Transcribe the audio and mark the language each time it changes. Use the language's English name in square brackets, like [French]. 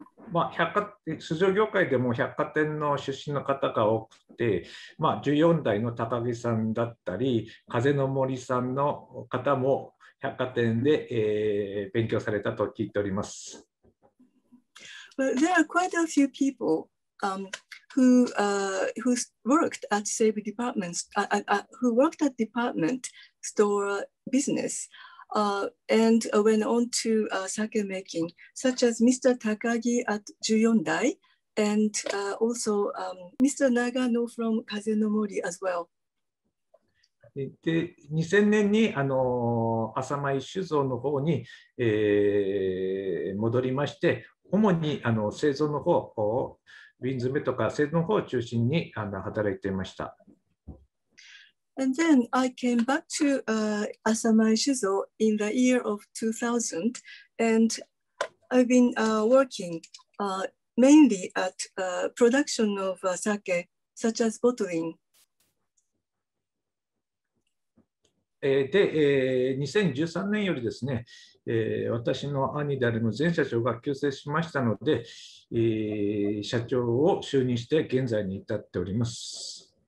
[Japanese] まあ、酒造業界でも百貨店の出身の方が多くて、まあ、14代の高木さんだったり風の森さんの方も百貨店で、勉強されたと聞いております。 [English] Well, there are quite a few people who worked at department store business, and went on to sake making, such as Mr. Takagi at Juyondai, and also Mr. Nagano from Kazenomori as well. [Japanese] で2000年に浅間酒造の方に、戻りまして、主に製造の方を瓶詰めとか製造の方を中心に働いていました。 [English] And then I came back to Asamai Shuzo in the year of 2000, and I've been working mainly at production of sake, such as bottling. [Japanese] で、2013年よりですね、私の兄であるの前社長が急逝しましたので、社長を就任して現在に至っております。